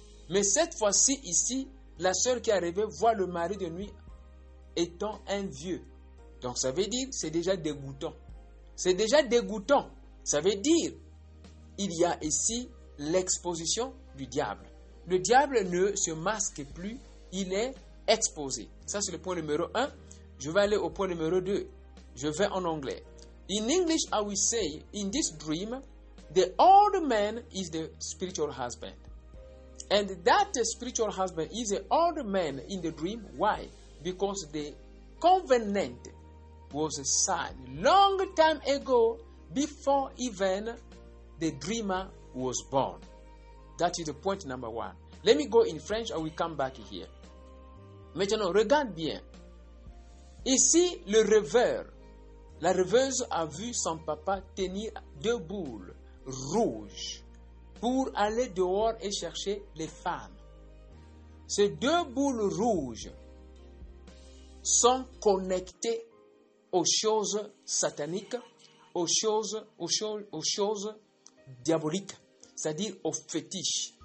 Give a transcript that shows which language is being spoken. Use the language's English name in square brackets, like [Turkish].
[French] Mais cette fois-ci, ici, la sœur qui est arrivée voit le mari de nuit étant un vieux. Donc, ça veut dire que c'est déjà dégoûtant. C'est déjà dégoûtant. Ça veut dire qu'il y a ici l'exposition du diable. Le diable ne se masque plus, il est exposé. Ça, c'est le point numéro 1. Je vais aller au point numéro 2. Je vais en anglais. [English] In English, I will say, in this dream, the old man is the spiritual husband. And that spiritual husband is an old man in the dream. Why? Because the covenant was signed long time ago before even the dreamer was born. That is the point number one. Let me go in French and we come back here. [French] Maintenant, regarde bien. Ici, le rêveur, la rêveuse a vu son papa tenir deux boules rouges pour aller dehors et chercher les femmes. Ces deux boules rouges sont connectées aux choses sataniques, aux choses diaboliques, c'est-à-dire aux fétiches.